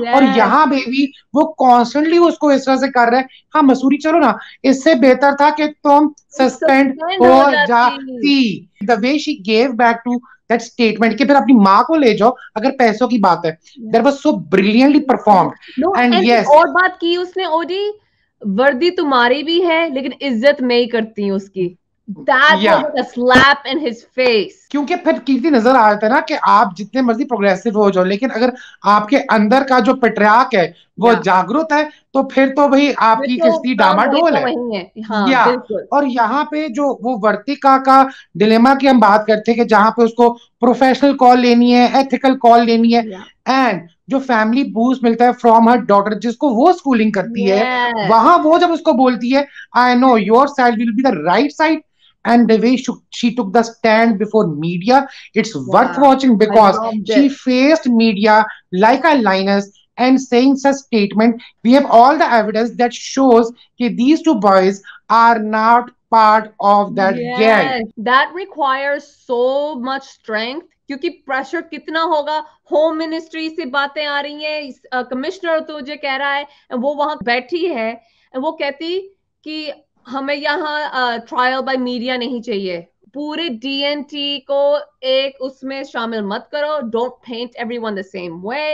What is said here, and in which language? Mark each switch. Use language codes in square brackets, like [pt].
[hi] Aur yahan baby wo constant उसको इस तरह से कर रहे हैं, हाँ मसूरी चलो ना, इससे बेहतर था कि तुम सस्पेंड हो जाती. [en] The way she gave back to that statement [hi] कि फिर अपनी माँ को ले जाओ अगर पैसों की बात है, [en] there was so brilliantly performed. And yes, [hi] और बात की उसने, ओडी वर्दी तुम्हारी भी है लेकिन इज्जत मैं ही करती हूँ उसकी. क्योंकि फिर कीर्ति नजर आ जाता है ना कि आप जितने मर्जी प्रोग्रेसिव हो जाओ लेकिन अगर आपके अंदर का जो पेट्रियार्क है वो जागरूक है तो फिर तो भाई आपकी किस्ती डामाडोल है. या और यहाँ पे जो वो वर्तिका का डिलेमा की हम बात करते हैं कि जहाँ पे उसको प्रोफेशनल कॉल लेनी है, एथिकल कॉल लेनी है, एंड जो फैमिली बूस्ट मिलता है फ्रॉम हर डॉटर जिसको वो स्कूलिंग करती है, वहां वो जब उसको बोलती है [en] I know your side will be the right side. And the way she took the stand before media, it's worth watching because she faced media like a lioness and saying such statement. We have all the evidence that shows that these two boys are not part of that gang. That requires so much strength. [hi] क्योंकि pressure कितना होगा, home ministry से बातें आ रही हैं, commissioner तो जो कह रहा है, वो वहां बैठी है, वो कहती कि हमें यहाँ ट्रायल बाय मीडिया नहीं चाहिए, पूरे DNT को एक उसमें शामिल मत करो, [en] Don't paint everyone the same way.